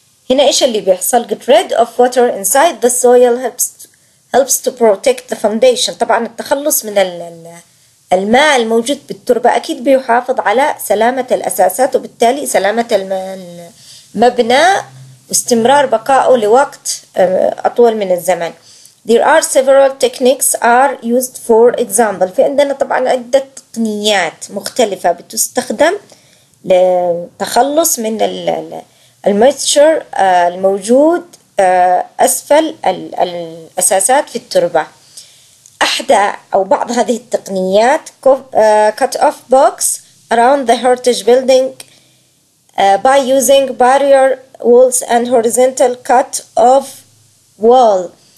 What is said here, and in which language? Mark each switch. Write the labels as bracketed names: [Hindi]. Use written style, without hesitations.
[Arabic] هنا إيش اللي بيحصل؟ [English] Get rid of water inside the soil helps to protect the foundation. [Arabic] طبعاً التخلص من الماء الموجود بالتربة أكيد بيحافظ على سلامة الأساسات وبالتالي سلامة المبنى واستمرار بقائه لوقت أطول من الزمن. [English] There are several techniques are used for example. [Arabic] في عندنا طبعاً عدة تقنيات مختلفة بتستخدم للتخلص من الميتشر الموجود أسفل الأساسات في التربة. أحدى أو بعض هذه التقنيات [English] cut off box around the heritage building by using barrier walls and horizontal cut off wall.